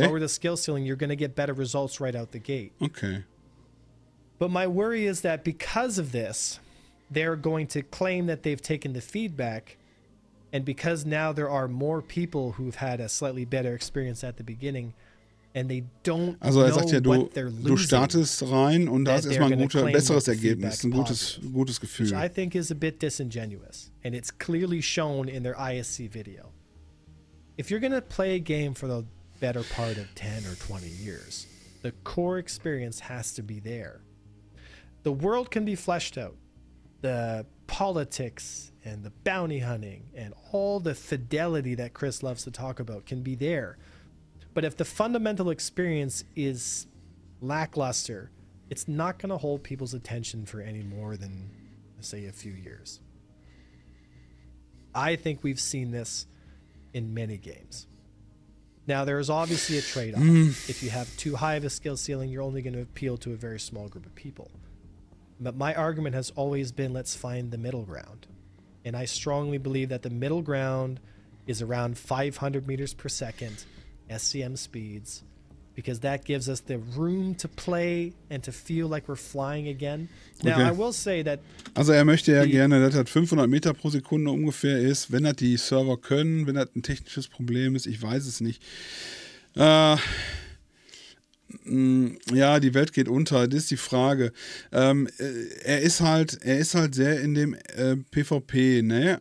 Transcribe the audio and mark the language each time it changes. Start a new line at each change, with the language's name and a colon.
English: you lower the skill ceiling, you're going to get better results right out the gate. Okay. But my worry is that because of this, they're going to claim that they've taken the feedback, and because now there are more people who've had a slightly better experience at the beginning... And they don't
German: also er sagt
English: know
German: ja, du, du startest rein und da ist erstmal ein guter, besseres Ergebnis, ein gutes, gutes Gefühl.
English: Which I think is a bit disingenuous. And it's clearly shown in their ISC video. If you're gonna play a game for the better part of 10 or 20 years, the core experience has to be there. The world can be fleshed out. The politics and the bounty hunting and all the fidelity that Chris loves to talk about can be there. But if the fundamental experience is lackluster, it's not going to hold people's attention for any more than, say, a few years. I think we've seen this in many games. Now, there is obviously a trade-off. Mm. If you have too high of a skill ceiling, you're only going to appeal to a very small group of people. But my argument has always been, let's find the middle ground. And I strongly believe that the middle ground is around 500 meters per second, SCM speeds, because that gives us the room to play and to feel like we're flying again. Now, okay. I will say that...
German: Also möchte ja gerne, dass das 500 Meter pro Sekunde ungefähr ist, wenn das die Server können, wenn das ein technisches Problem ist, ich weiß es nicht. Ja, die Welt geht unter, das ist die Frage. Er ist halt sehr in dem PvP, ne?